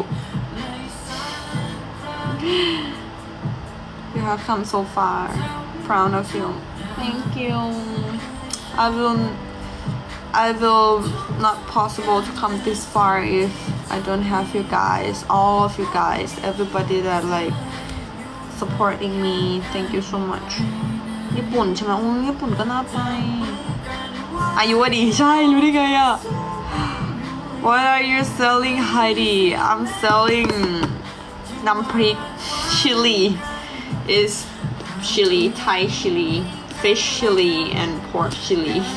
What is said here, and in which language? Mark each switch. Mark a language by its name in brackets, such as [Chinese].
[English] You have come so far proud of you Thank you I will not possible to come this far if I don't have you guys all of you guys everybody that like supporting me thank you so much [Thai] ญี่ปุ่นใช่มั้ยอุ๊ยญี่ปุ่นก็น่าไปอายุดี ใช่อยู่ดีไงอ่ะ [English] What are you selling Heidi I'm selling น้ำพริก chili is chili Thai chili fish chili and pork chili